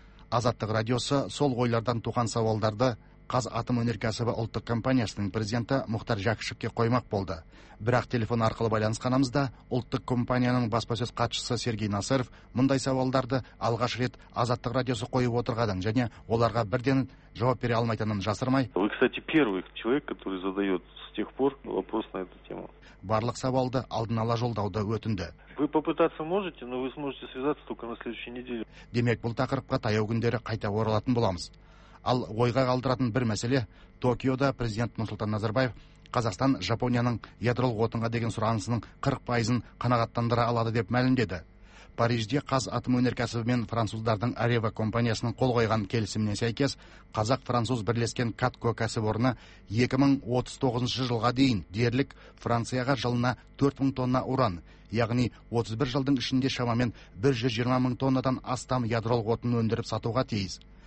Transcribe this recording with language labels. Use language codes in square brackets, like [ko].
[kk] Азаттық радиосы сол ойлардан туған сауалдарды Қазатом өнеркәсібі ұлттық компаниясының президенті Мұхтар Жәкішевке қоймақ болды. Бірақ телефон арқылы байланысқанымызда ұлттық компанияның баспасөз хатшысы Сергей Насыров мындай сауалдарды алғаш рет Азаттық радиосы қойып отырғанын және оларға бірден жауап бере алмайтынын жасырмай. [ru] Вы, кстати, первый человек, который задаёт с тех пор вопрос на эту тему. [kk] Барлық сауалды алдын ала жолдауды өтінді. [ru] Вы попытаться можете, но вы сможете связаться только на следующей неделе. [kk] Демек, бұл тақырыпқа таяу күндері қайта оралатын боламыз. Ал ойға қалдыратын бір мәселе, Токиода президент Нұрсұлтан Назарбаев Қазақстан Жапонияның ядролық отынға деген сұранысының 40%-ын қанағаттандыра алады деп мәлімдеді. Парижде Қазатом өнеркәсібі мен француздардың Арева компаниясының қол қойған келісіміне сәйкес, қазақ-француз бірлескен Катко кәсіпорны 2039 жылға дейін дерлік Францияға жылына 4000 тонна уран, яғни 31 жылдың ішінде шамамен 120 000 тоннадан астам ядролық отын өндіріп сатуға тиіс.